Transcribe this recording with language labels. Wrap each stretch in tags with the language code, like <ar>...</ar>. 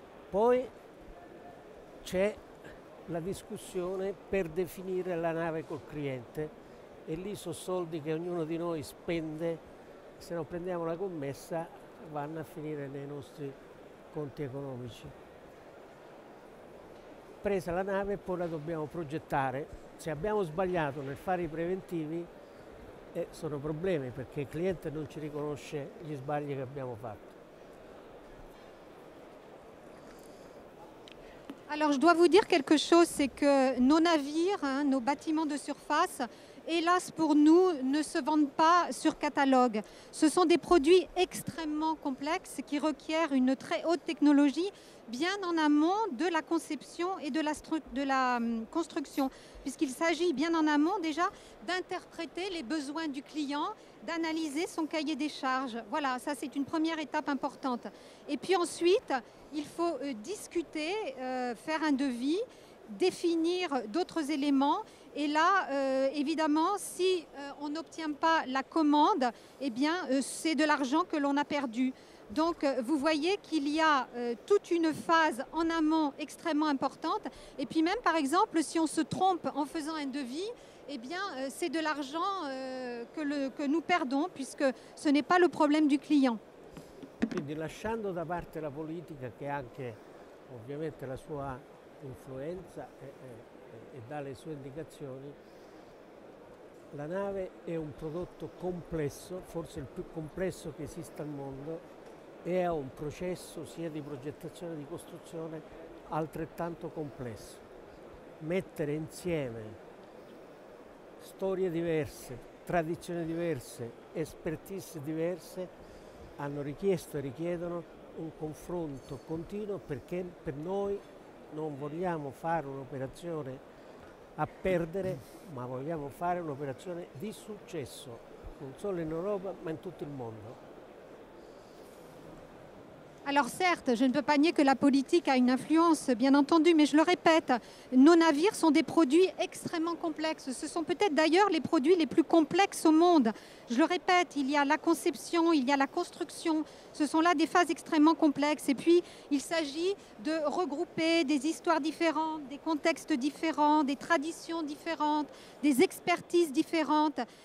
<it>Poi c'è la discussione per definire la nave col cliente e lì sono soldi che ognuno di noi spende, se non prendiamo la commessa vanno a finire nei nostri conti economici. Presa la nave, poi la dobbiamo progettare. Se abbiamo sbagliato nel fare i preventivi sono problemi perché il cliente non ci riconosce gli sbagli che abbiamo fatto.</it> <fr>Alors, je dois vous dire quelque chose, c'est que nos navires, hein, nos bâtiments de surface, hélas pour nous, ne se vendent pas sur catalogue. Ce sont des produits extrêmement complexes qui requièrent une très haute technologie, bien en amont de la conception et de la construction, puisqu'il s'agit bien en amont déjà d'interpréter les besoins du client, d'analyser son cahier des charges. Voilà, ça c'est une première étape importante. Et puis ensuite, il faut discuter, faire un devis, définir d'autres éléments. Et là, évidemment, si on n'obtient pas la commande, eh bien, c'est de l'argent que l'on a perdu. Donc, vous voyez qu'il y a toute une phase en amont extrêmement importante. Et puis même, par exemple, si on se trompe en faisant un devis, eh bien, c'est de l'argent que nous perdons, puisque ce n'est pas le problème du client.</fr> <it>Quindi lasciando da parte la politica che ha anche ovviamente la sua influenza e dà le sue indicazioni, la nave è un prodotto complesso, forse il più complesso che esista al mondo, e ha un processo sia di progettazione che di costruzione altrettanto complesso. Mettere insieme storie diverse, tradizioni diverse, expertise diverse, hanno richiesto e richiedono un confronto continuo perché per noi non vogliamo fare un'operazione a perdere, ma vogliamo fare un'operazione di successo, non solo in Europa, ma in tutto il mondo.</it> <fr>Alors certes, je ne peux pas nier que la politique a une influence, bien entendu, mais je le répète, nos navires sont des produits extrêmement complexes. Ce sont peut-être d'ailleurs les produits les plus complexes au monde. Je le répète, il y a la conception, il y a la construction. Ce sont là des phases extrêmement complexes. Et puis, il s'agit de regrouper des histoires différentes, des contextes différents, des traditions différentes, des expertises différentes.</fr>